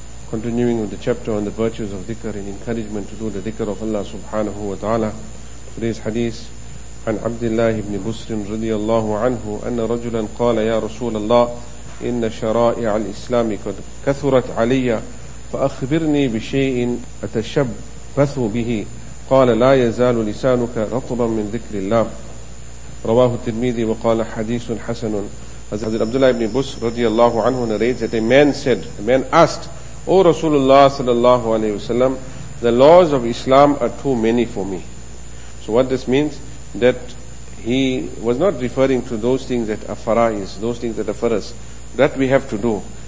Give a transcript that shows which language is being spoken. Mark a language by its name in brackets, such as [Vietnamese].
[English] Continuing with the chapter on the virtues of dhikr and encouragement to do the dhikr of Allah subhanahu wa ta'ala. Today's hadith [Arabic] عن عبد الله بن بسرم رضي الله عنه أن رجلا قال يا رسول الله إن شرائع الإسلام قد كثرت علي فأخبرني بشيء أتشبث به قال لا يزال لسانك رطبا من ذكر الله رواه الترمذي وقال حديث حسن. [English] Hazrat Abdullah ibn Busr radiyallahu anhu narrates that a man asked, O Rasulullah sallallahu alayhi wa sallam, the laws of Islam are too many for me. So what this means, that he was not referring to those things that are fara'is, those things that are faras, that we have to do.